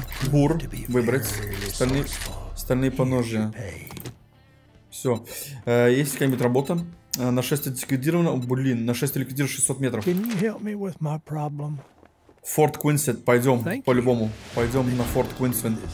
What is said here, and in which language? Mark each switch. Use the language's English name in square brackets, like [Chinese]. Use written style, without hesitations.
[Russian] Бур, выбрать стальные поножья. Все, есть какая-нибудь работа? Нашествие ликвидировано. Блин, нашествие ликвидировано 600 метров. [English] Can you help me with my problem? [Russian] Форт Квинсет, пойдем, по-любому. Пойдем на Форт Квинсет.